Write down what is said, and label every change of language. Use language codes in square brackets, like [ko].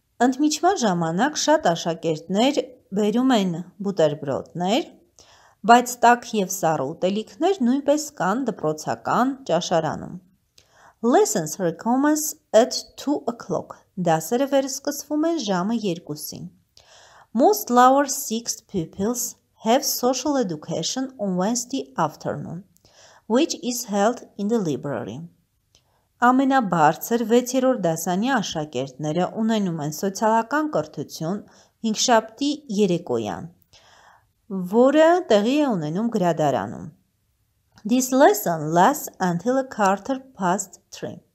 [hy] Ընդմիջման ժամանակ շատ աշակերտներ բերում են բուտերբրոդներ, բայց տաք եւ սառը ուտելիքներ նույնպես կան դպրոցական ճաշարանում։ [en] Lessons recommence at 2 o'clock. [hy] Դասերը վերսկսվում են ժամը 2-ին. [en] Most lower sixth pupils have social education on Wednesday afternoon, which is held in the library. [hy] Ամենաբարձր 6-րդ դասանյա աշակերտները ունենում են սոցիալական կրթություն 5-7-ի երեկոյան, որը տեղի է ունենում գրադարանում. [en] This lesson lasts until a quarter past 3.